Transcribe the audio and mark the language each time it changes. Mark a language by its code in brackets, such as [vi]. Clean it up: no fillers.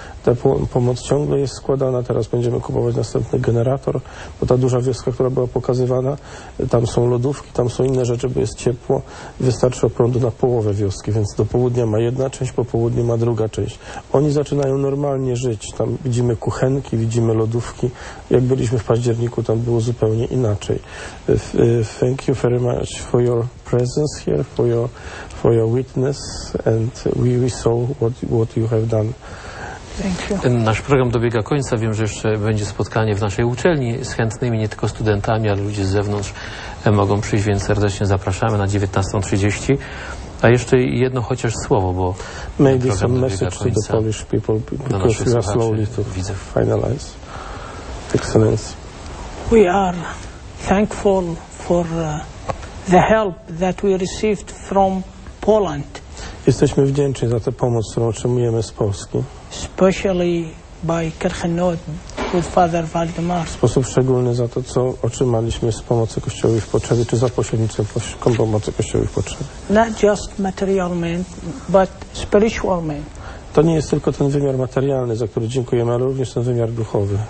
[pl] Ta pomoc ciągle jest składana. Teraz będziemy kupować następny generator, bo ta duża wioska, która była pokazywana, tam są lodówki, tam są inne rzeczy, bo jest ciepło. Wystarczy prądu na połowę wioski, więc do południa ma jedna część, po południu ma druga część. Oni zaczynają normalnie żyć. Tam widzimy kuchenki, widzimy lodówki. Jak byliśmy w październiku, tam było zupełnie inaczej. [en] Thank you very much for your presence here, for your witness, and we saw what you have done. Thank you. [pl] Nasz program dobiega końca. Wiem, że jeszcze będzie spotkanie w naszej uczelni z chętnymi, nie tylko studentami, ale ludzie z zewnątrz mogą przyjść, więc serdecznie zapraszamy na 19:30. A jeszcze jedno chociaż słowo, bo [en] maybe some message to the Polish people, because we are slowly to finalize. Excellency. We are thankful for the help that we received from Poland. [pl] Jesteśmy wdzięczni za tę pomoc, którą otrzymujemy z Polski. [en] Especially by Kirchenot with Father Waldemar. [pl] W sposób szczególny za to, co otrzymaliśmy z pomocy Kościołów w potrzebie, czy za pośrednictwem pomocy Kościołów w potrzebie. [en] Not just material man, but spiritual man. [pl] To nie jest tylko ten wymiar materialny, za który dziękujemy, ale również ten wymiar duchowy.